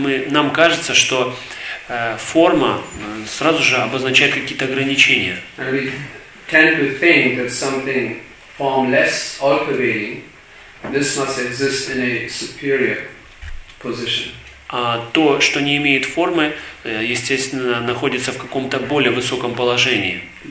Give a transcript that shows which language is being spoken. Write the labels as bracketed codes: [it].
[ru] Нам кажется, что форма сразу же обозначает какие-то ограничения. [en] And we tend to think that something formless, all-pervading, this must exist in a superior position. [ru] А то, что не имеет формы, естественно, находится в каком-то более высоком положении.